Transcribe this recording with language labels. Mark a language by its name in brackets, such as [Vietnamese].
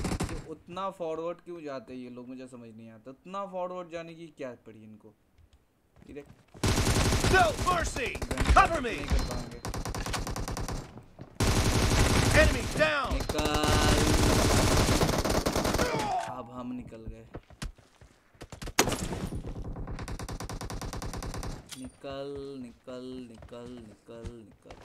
[Hindi] तो उतना forward क्यों जाते हैं ये लोग मुझे समझ नहीं आता इतना forward जाने की क्या पड़ी इनको इधर [English] No mercy! Cover me! Enemy down! [Hindi] निकल अब हम निकल गए Nickel, nickel, nickel, nickel, nickel.